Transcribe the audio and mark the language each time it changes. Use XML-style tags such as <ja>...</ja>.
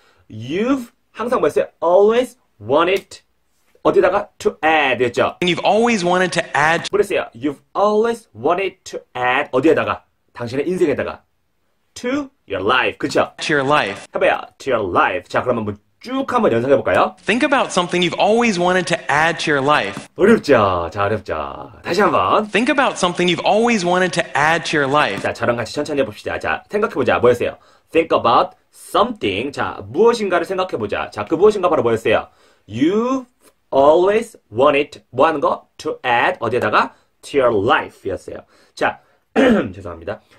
<en>You've</en> <ko>항상 뭐였어요?</ko> <en>Always wanted.</en> <ko>어디다가?</ko> <en>To add였죠. And you've always wanted to add.</en> <ko>뭐였어요?</ko> <en>You've always wanted to add.</en> <ko>어디에다가? 당신의 인생에다가.</ko> <en>To your life.</en> <ko>그쵸?</ko> <en>To your life.</en> <ko>해봐요.</ko> <en>To your life.</en> <ko>자, 그럼 한번 쭉 한번 연상해 볼까요?</ko> <en>Think about something you've always wanted to add to your life.</en> <ko>어렵죠? 자, 어렵죠? 다시 한번.</ko> <en>Think about something you've always wanted to add to your life.</en> <ko>자, 저랑 같이 천천히 해봅시다. 자, 생각해 보자. 뭐였어요?</ko> <en>Think about something.</en> <ko>자, 무엇인가를 생각해 보자. 자, 그 무엇인가 바로 뭐였어요?</ko> <en>You've always wanted</en> <ko>뭐 하는 거?</ko> <en>To add</en> <ko>어디에다가?</ko> <en>To your life였어요.</en> <ko>자, 죄송합니다.</ko>